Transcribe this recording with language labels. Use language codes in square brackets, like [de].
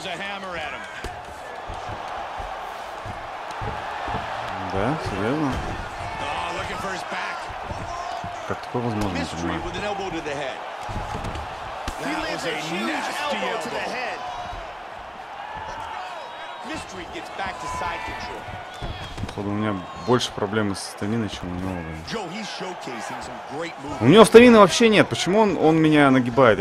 [en] Throws a hammer at him. [ru] Да, серьезно? [en] Oh, looking for his back. [ru] Как такое возможно? [en] Mystery with an elbow to the head. He lands a huge elbow to the head. Mystery gets back to side control. [ru] Походу, у меня больше проблемы со стаминой, чем у него. [en] Joe, he's showcasing some great moves. [ru] У него стамины вообще нет. Почему он меня нагибает?